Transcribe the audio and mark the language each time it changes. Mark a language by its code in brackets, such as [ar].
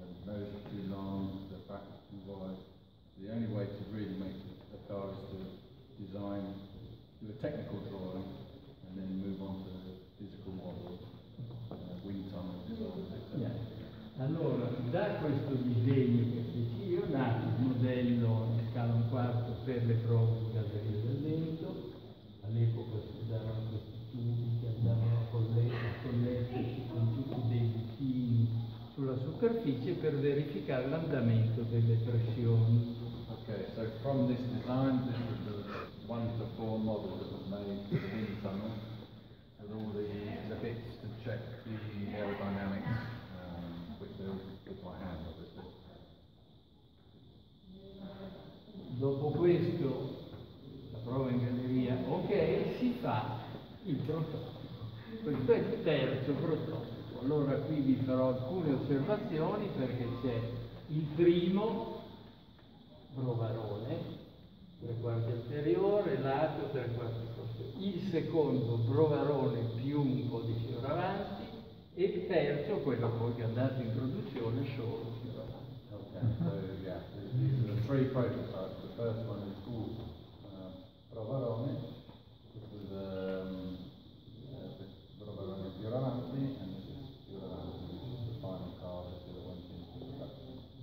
[en] The nose are too long, the back is too wide. The only way to really make a car is to design, do a technical drawing, and then move on to the physical model, wind tunnel, etc. Yeah. [it] Allora, da questo disegno che ci ho dato il modello in scala 1/4 per le prove di galleria del vento. All'epoca si usavano questi tubi che andavano collegati con tutti dei bucchini sulla superficie per verificare l'andamento delle pressioni. [en] Ok, so from this design, this was the 1-4 model that was made for the wind tunnel. and all the bits to check the aerodynamics, which they with my hand, obviously. [it] Dopo questo, la prova in galleria, ok, si fa il prototipo. Questo è il terzo prototipo. Allora qui vi farò alcune osservazioni perché c'è il primo provarone, tre quarti anteriore, lato, tre quarti posteriore. Il secondo provarone più un po' di fiore avanti e il terzo, quello poi che è andato in produzione, solo fiore avanti. [en] Ok, so, yeah, these are the three prototypes. The first one is called Provarone, this is the Provarone Fioravanti, and this is Fioravanti, which is the final car that we went into the production.